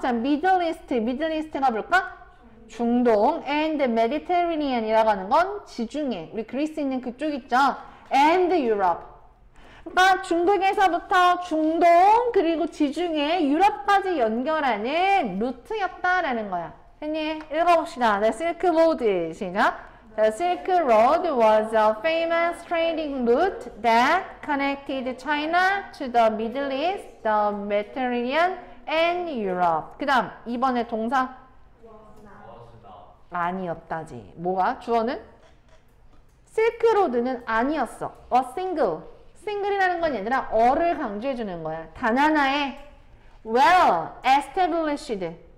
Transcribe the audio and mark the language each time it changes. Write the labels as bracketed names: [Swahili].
[Korean] 자, 미들리스트 가볼까? 중동 and Mediterranean 이라고 하는 건 지중해. 우리 그리스 있는 그쪽 있죠? [English] and Europe. [Korean] 그러니까 중국에서부터 중동 그리고 지중해 유럽까지 연결하는 루트였다라는 거야. 선생님 읽어봅시다. The Silk Road 시작. [English] The Silk Road was a famous trading route that connected China to the Middle East, the Mediterranean and Europe. [Korean] 그 다음 이번에 동사 아니었다지. 뭐가? 주어는? 실크로드는 아니었어. A single. single이라는 건 얘들아, 어를 강조해 주는 거야. 단 하나에 well established.